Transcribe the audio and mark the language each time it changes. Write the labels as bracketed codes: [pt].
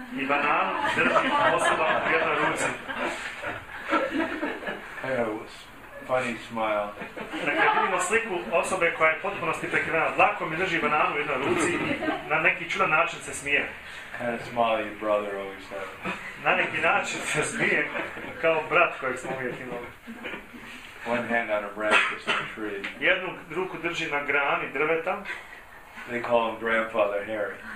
[bs] I banan drži osoba u jednoj ruci. [en] Funny smile. [bs] Dakle, vidimo sliku osobe koja je potpuno prekrivena dlakom i drži banan u jednoj ruci i na neki čudan način se smije. [en] Kind of smile your brother always had. [bs] Na neki način se smije kao brat kojeg smo uvijek imali. [en] One hand on a branch of some tree. [bs] Jednu ruku drži na grani drveta. [en] They call him Grandfather Harry.